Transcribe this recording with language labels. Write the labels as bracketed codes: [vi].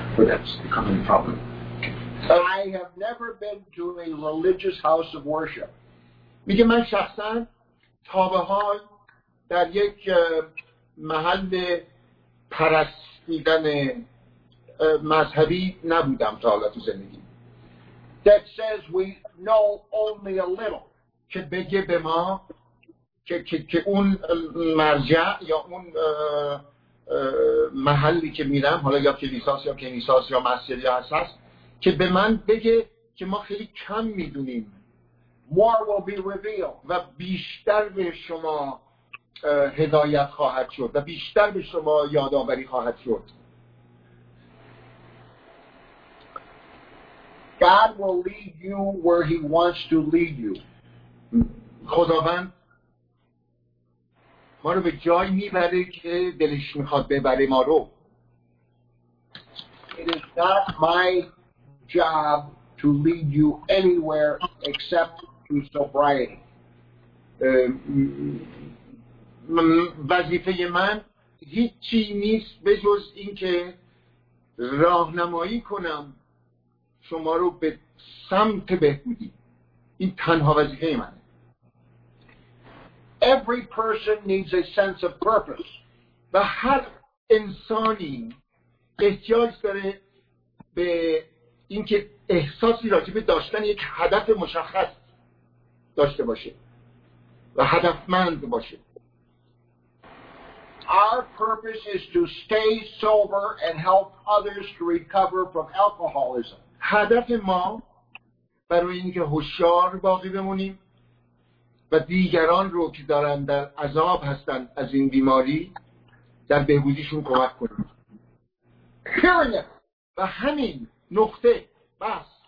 [en] I have never been to a religious house of worship. [fa] میگه من شخصا تا به حال در یک محل پرستیدن مذهبی نبودم تا حالا تو زندگی. [en] That says we know only a little. [fa] که بگه به ما که اون مرجع یا اون محلی که میرم، حالا یا کلیساس یا کنیساس یا مسجد یا اساس، که به من بگه که ما خیلی کم میدونیم. [en] More will be revealed. [fa] و بیشتر به شما هدایت خواهد شد و بیشتر به شما یادآوری خواهد شد. [en] God will lead you where he wants to lead you. [fa] خداوند ما رو به جای میبره که دلش میخواد ببره ما رو. [en] It is not my job to lead you anywhere except to sobriety. [fa] وظیفه من هیچی نیست به جز این که راهنمایی کنم شما رو به سمت بهبودی. این تنها وظیفه من. [en] Every person needs a sense of purpose. [fa] و هر انسانی احتیاج داره به اینکه احساسی راجع به داشتن یک هدف مشخص داشته باشه و هدفمند باشه. [en] Our purpose is to stay sober and help others to recover from alcoholism. [fa] هدف ما برای اینکه هوشیار باقی بمونیم و دیگران رو که دارن در عذاب هستن از این بیماری در بهبودیشون کمک کنیم. [en] Period. [fa] و همین نقطه بس.